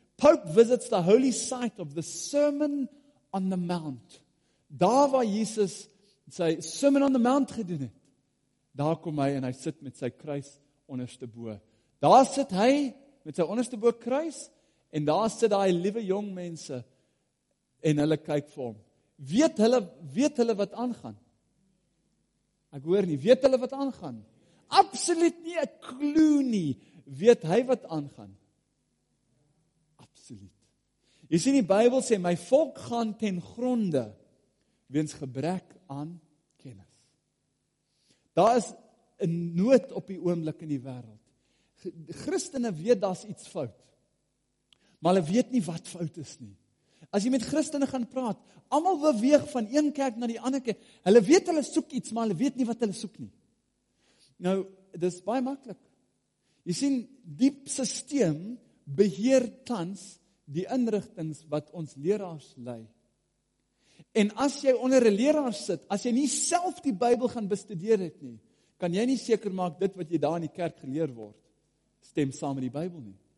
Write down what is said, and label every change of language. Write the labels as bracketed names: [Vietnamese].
[English] Pope visits the holy site of the Sermon on the Mount. [Afrikaans] Daar waar Jesus sy Sermon on the Mount gedoen het, daar kom hy en hy sit met sy kruis onderste bo. Daar sit hy met sy onderste bo kruis en daar sit daai liewe jong mense en hulle kyk vir hom. Weet hulle wat aangaan? Ek hoor nie, weet hulle wat aangaan? Absoluut nie, ek klou nie. Weet hy wat aangaan? Absoluut. Jy sien die Bybel sê, my volk gaan ten gronde, weens gebrek aan kennis. Daar is 'n nood op die oomblik in die wêreld. Christene weet daar is iets fout. Maar hulle weet nie wat fout is nie. As jy met Christene gaan praat, almal beweeg van een kerk na die ander kerk. Hulle weet hulle soek iets, maar hulle weet nie wat hulle soek nie. Nou, dit is baie maklik. Jy sien, die systeem beheer tans die inrigtings wat ons leraars lei. En as jy onder 'n leraar sit, as jy nie self die Bybel gaan bestudeer het nie, kan jy nie seker maak dit wat jy daar in die kerk geleer word, stem saam met die Bybel nie.